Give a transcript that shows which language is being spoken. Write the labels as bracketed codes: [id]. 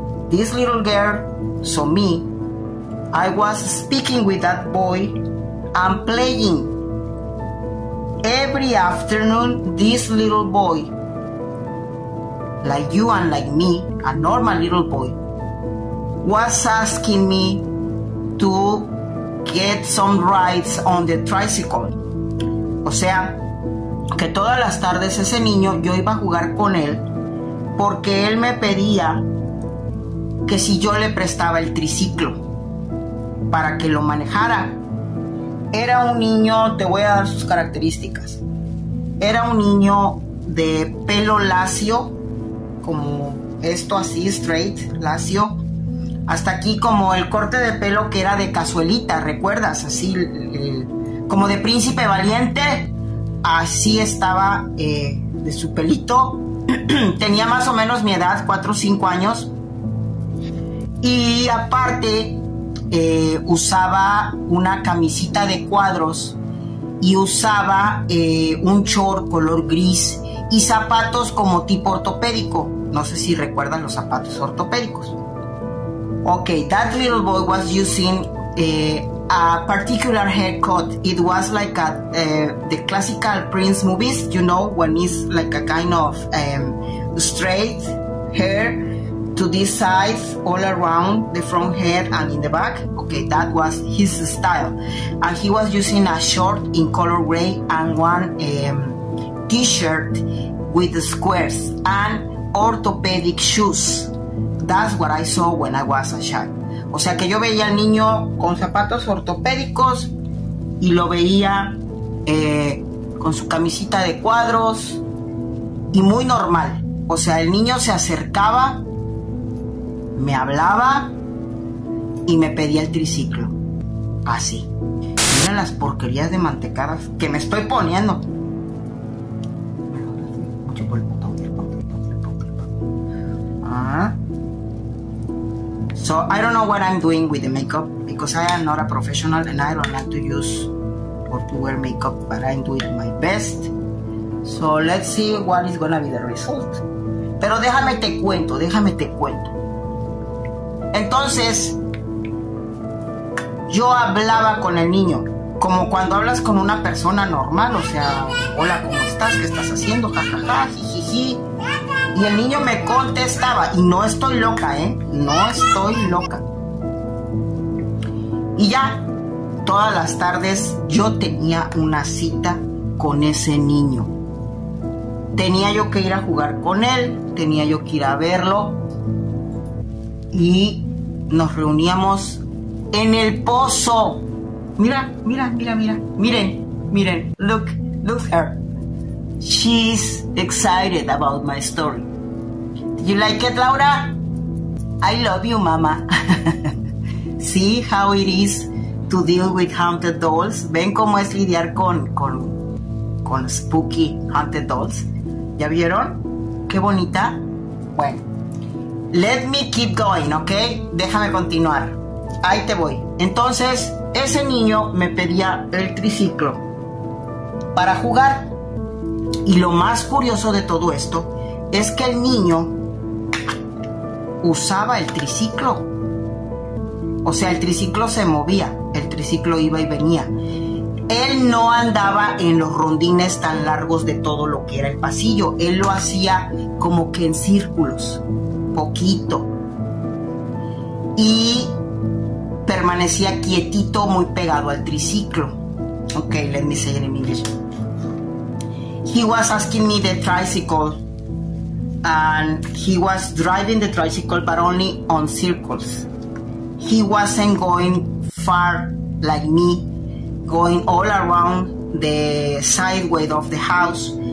[en] This little girl, so me, I was speaking with that boy. I'm playing. every afternoon, this little boy, like you and like me, a normal little boy, was asking me to get some rides on the tricycle. [es] O sea, que todas las tardes ese niño, yo iba a jugar con él, porque él me pedía que si yo le prestaba el triciclo para que lo manejara. Era un niño, te voy a dar sus características. Era un niño de pelo lacio, como esto así, straight, lacio. Hasta aquí como el corte de pelo que era de cazuelita, ¿recuerdas? Así, como de príncipe valiente, así estaba de su pelito. Tenía más o menos mi edad, 4 o 5 años. Y aparte, usaba una camisita de cuadros y usaba un short color gris y zapatos como tipo ortopédico. No sé si recuerdan los zapatos ortopédicos. [en] Ok, that little boy was using a particular haircut. It was like a the classical Prince movies, you know, when it's like a kind of straight hair to this side, all around the front head and in the back. Okay, that was his style. And he was using a short in color gray and one t-shirt with squares and orthopedic shoes. That's what I saw when I was a child. [es] O sea que yo veía al niño con zapatos ortopédicos y lo veía con su camisita de cuadros y muy normal. O sea, el niño se acercaba, me hablaba y me pedía el triciclo. Así. Miren las porquerías de mantecadas que me estoy poniendo. [en] So I don't know what I'm doing with the makeup because I am not a professional and I don't like to use or to wear makeup, but I'm doing my best. So let's see what is gonna be the result. [es] Pero déjame te cuento. Entonces, yo hablaba con el niño, como cuando hablas con una persona normal, o sea, hola, ¿cómo estás? ¿Qué estás haciendo? Ja, ja, ja, jijiji. Y el niño me contestaba, y no estoy loca, no estoy loca. Y ya, todas las tardes yo tenía una cita con ese niño. Tenía yo que ir a jugar con él, tenía yo que ir a verlo. Y nos reuníamos en el pozo. Mira, mira, mira, mira. Miren, miren. [en] Look, look at her. She's excited about my story. Did you like it, Laura? I love you, mama. See how it is to deal with haunted dolls? [es] ¿Ven cómo es lidiar con [en] spooky haunted dolls? [es] ¿Ya vieron? ¿Qué bonita? Bueno. [en] Let me keep going, [es] ¿ok? Déjame continuar. Ahí te voy. Entonces, ese niño me pedía el triciclo para jugar. Y lo más curioso de todo esto es que el niño usaba el triciclo. O sea, el triciclo se movía. El triciclo iba y venía. Él no andaba en los rondines tan largos de todo lo que era el pasillo. Él lo hacía como que en círculos. Poquito y permanecía quietito, muy pegado al triciclo. [en] Ok, let me say it in English. He was asking me the tricycle and he was driving the tricycle but only on circles. He wasn't going far like me, going all around the sideways of the house.